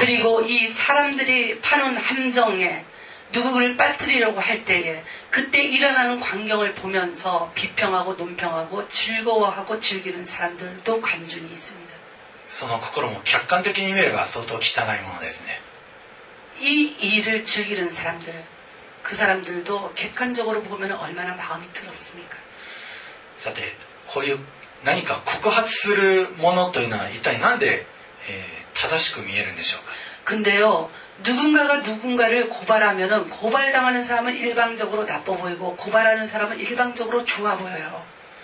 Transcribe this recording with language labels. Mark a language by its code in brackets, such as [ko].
[ko] 그리고이사람들이파는함정에누구를빠뜨리려고할때에그때일어나는광경을보면서비평하고논평하고즐거워하고즐기는사람들도관중이있습니다 [ja] その心も客観的に見れば相当汚いものですね [ko] 이일을즐기는사람들그사람들도객관적으로보면얼마나마음이더럽습니까 [ja] さてこういう何か告発するものというのは一体なんで正しく見えるんでしょうか [ko] 근데요누군가가누군가를고발하면은고발당하는사람은일방적으로나빠보이고고발하는사람은일방적으로좋아보여요